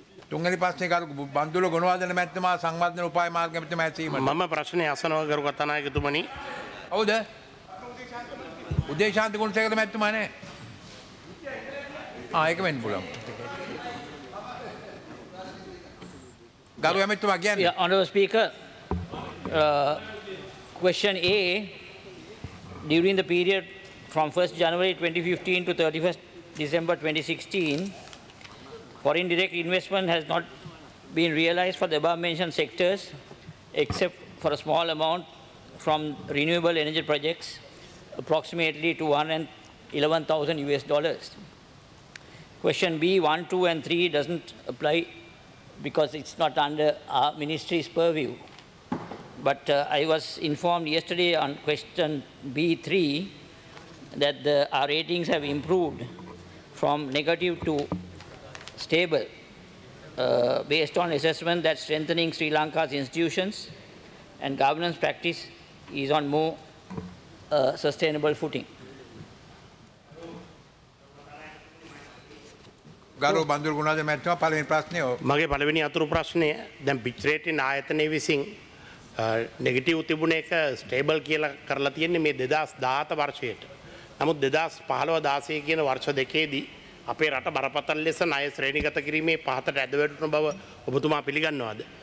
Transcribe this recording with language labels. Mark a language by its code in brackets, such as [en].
[si] තුන්වෙනි ප්‍රශ්නේ කරු බන්දුල ගුණවර්ධන මැතිතුමා සංවර්ධන උපාය මාර්ග මැතිතුමා ඇසීමට මම ප්‍රශ්නේ අසනවා ගරු කතානායකතුමනි ඔව්ද උදේශාන්ත ගුණසේකර මැතිතුමා නේ ආ ඒක වෙන්න පුළුවන් ගරු මැතිතුමා කියන්නේ [en] Your honour speaker question a during the period from 1st January 2015 to 31st December 2016 foreign direct investment has not been realized for the above mentioned sectors except for a small amount from renewable energy projects approximately to $111,000. Question b 1 2 and 3 doesn't apply because it's not under our ministry's purview. But I was informed yesterday on question B3 that our ratings have improved from negative to stable based on assessment that strengthening Sri Lanka's institutions and governance practice is on more sustainable footing. [si] ගරු බන්දුල ගුණවර්ධන මැතිතුමා පළවෙනි ප්‍රශ්නේ මගේ පළවෙනි අතුරු ප්‍රශ්නය දැන් pitch rating ආයතනයේ විසින් නෙගටිව් තිබුණ එක ස්ටේබල් කියලා කරලා තියෙන්නේ මේ 2017 වර්ෂයට. නමුත් 2015-16 කියන වර්ෂ දෙකේදී අපේ රට බරපතල ලෙස ණය ශ්‍රේණිගත කිරීමේ පහතට ඇදවැටුණු බව ඔබතුමා පිළිගන්නවද?